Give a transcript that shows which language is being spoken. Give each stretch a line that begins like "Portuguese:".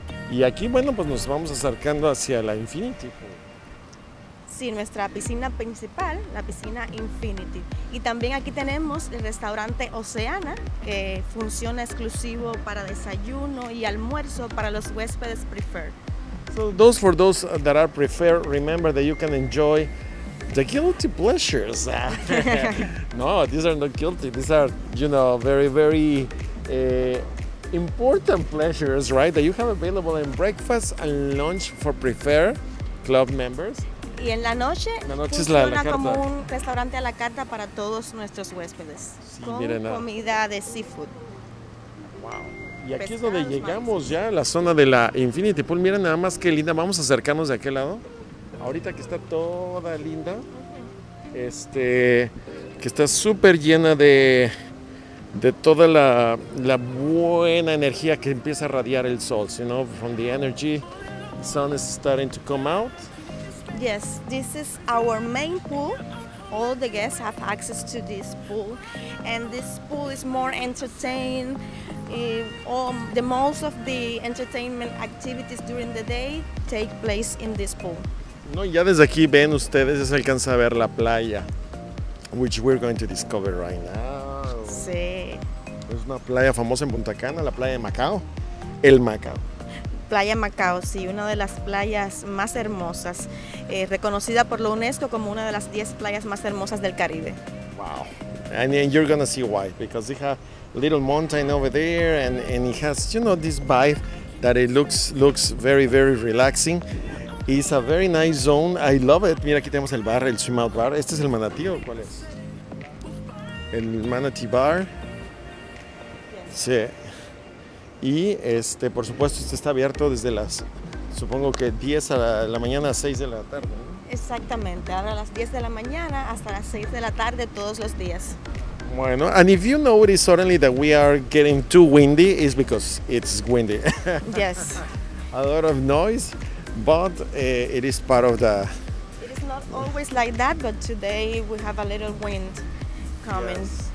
Spanish: Y aquí, bueno, pues nos vamos acercando hacia la Infinity Pool. Sí, nuestra piscina principal, la piscina Infinity. Y también aquí tenemos el restaurante Oceana, que funciona exclusivo para desayuno y almuerzo para los huéspedes preferred.
English: So those for those that are preferred, remember that you can enjoy the guilty pleasures. No, these are not guilty. These are, you know, very, very important pleasures, right? That you have available in breakfast and lunch for preferred club members.
Spanish: Y en la noche funciona es la carta, como un restaurante a la carta para todos nuestros huéspedes. Sí, con miren, comida de seafood. Wow. Y aquí pescados, es donde llegamos ya a la zona de la Infinity Pool. Miren nada más qué linda. Vamos a acercarnos de aquel lado. Ahorita que está toda linda. Que está súper llena de toda la buena energía que empieza a radiar el sol.
English: You know, from the energy, the sun is starting to come out. Yes, this is our main pool. All the guests have access to this pool. And this pool is more entertained. The most of the entertainment activities during the day take place in this pool.
Spanish: No, ya desde aquí ven ustedes, ya se alcanza a ver la playa,
English: which we're going to discover right now.
Spanish: Sí. Es una playa famosa en Punta Cana, la playa de Macao. El Macao. Playa Macao, sí, una de las playas más hermosas, reconocida por la UNESCO como una de las 10 playas más hermosas del Caribe.
English: Wow, and you're gonna see why, because they have a little mountain over there, and it has, you know, this vibe that it looks very, very relaxing. It's a very nice zone. I love it.
Spanish: Mira, aquí tenemos el bar, el swim out bar. ¿Este es el manatee o cuál es? El manatee bar. Sí. Y este, por supuesto, este está abierto desde las, supongo que 10 a la mañana a 6 de la tarde. Exactamente, ahora a las 10 de la mañana hasta las 6 de la tarde todos los días.
English: Bueno, and if you notice suddenly that we are getting too windy, it's because it's windy. Yes. A lot of noise, but it is part of the... It is not always like that, but today we have a little wind coming.